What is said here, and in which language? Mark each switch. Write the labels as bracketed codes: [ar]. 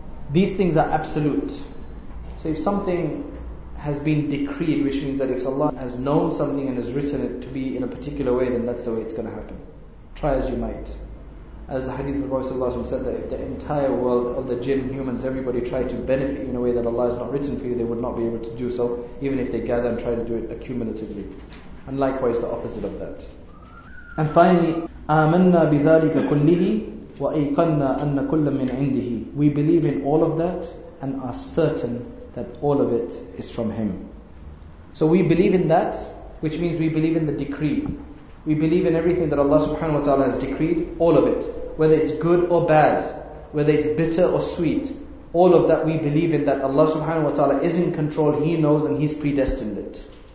[en] These things are absolute. So if something has been decreed, which means that if Allah has known something and has written it to be in a particular way, then that's the way it's going to happen. Try as you might. As the hadith of the Prophet Sallallahu said, that if the entire world, all the jinn, humans, everybody tried to benefit you in a way that Allah has not written for you, they would not be able to do so, even if they gather and try to do it accumulatively. And likewise, the opposite of that. And finally, [ar] آمَنَّا بِذَلِكَ كُلِّهِ وَأَيْقَنَّا أَنَّ كُلَّ مِنْ عِنْدِهِ. [en] We believe in all of that and are certain that all of it is from Him. So we believe in that, which means we believe in the decree. We believe in everything that Allah subhanahu wa ta'ala has decreed, all of it. Whether it's good or bad, whether it's bitter or sweet, all of that we believe in, that Allah subhanahu wa ta'ala is in control, He knows and He's predestined it.